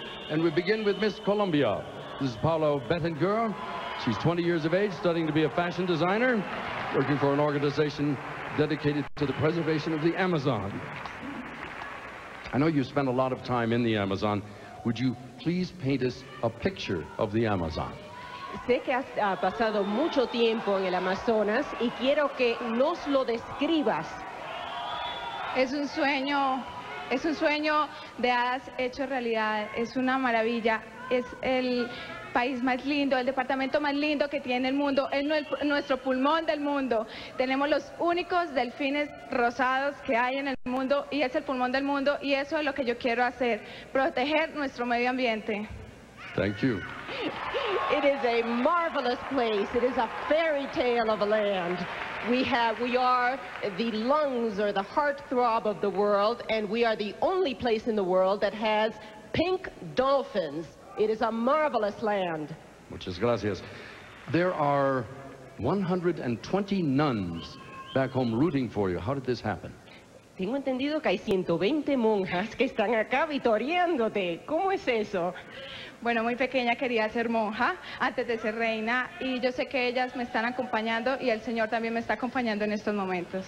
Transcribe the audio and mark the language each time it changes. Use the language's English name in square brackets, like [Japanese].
[English] And we begin with Miss Colombia. This is Paula Betancur. She's 20 years of age, studying to be a fashion designer, working for an organization dedicated to the preservation of the Amazon. I know you spent a lot of time in the Amazon. Would you please paint us a picture of the Amazon? [Spanish] Sé que has pasado mucho tiempo en el Amazonas y quiero que nos lo describas. Es un sueño de hadas hecho realidad. Es una maravilla. Es el país más lindo, el departamento más lindo que tiene el mundo, es nuestro pulmón del mundo. Tenemos los únicos delfines rosados que hay en el mundo y es el pulmón del mundo y eso es lo que yo quiero hacer, proteger nuestro medio ambiente. [English] Thank you. It is a marvelous place. It is a fairy tale of a land. We are the lungs or the heartthrob of the world, and we are the only place in the world that has pink dolphins. It is a marvelous land. [Spanish] Muchas gracias. [English] There are 120 nuns back home rooting for you. How did this happen? [Spanish] Tengo entendido que hay 120 monjas que están acá vitoreándote. ¿Cómo es eso? Bueno, muy pequeña quería ser monja antes de ser reina. Y yo sé que ellas me están acompañando y el Señor también me está acompañando en estos momentos.